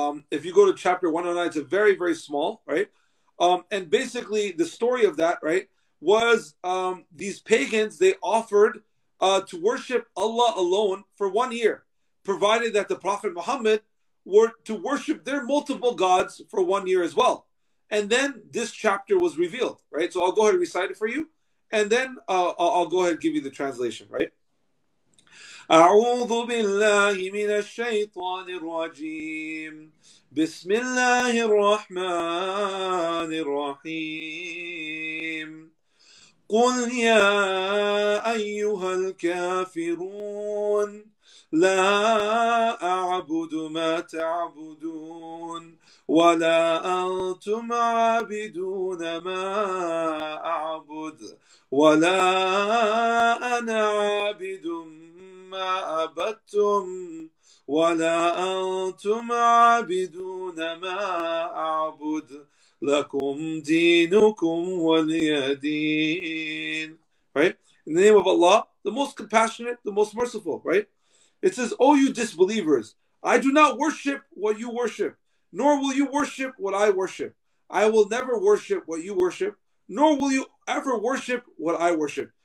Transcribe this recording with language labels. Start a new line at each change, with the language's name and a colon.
English: If you go to chapter 109, it's a very, very small, right? And basically, the story of that, right, was these pagans, they offered to worship Allah alone for 1 year, provided that the Prophet Muhammad were to worship their multiple gods for 1 year as well. And then this chapter was revealed, right? So I'll go ahead and recite it for you. And then I'll go ahead and give you the translation, right?
Arabic: أعوذ بالله من الشيطان الرجيم بسم الله الرحمن الرحيم قل يا أيها الكافرون لا أعبد ما تعبدون ولا أنتم عابدون ما أعبد ولا أنا عابد ما عبدتم ولا أنتم عابدون ما أعبد لكم دينكم ولي دين.
English: Right? In the name of Allah, the most compassionate, the most merciful, right? It says, O you disbelievers, I do not worship what you worship, nor will you worship what I worship. I will never worship what you worship, nor will you ever worship what I worship.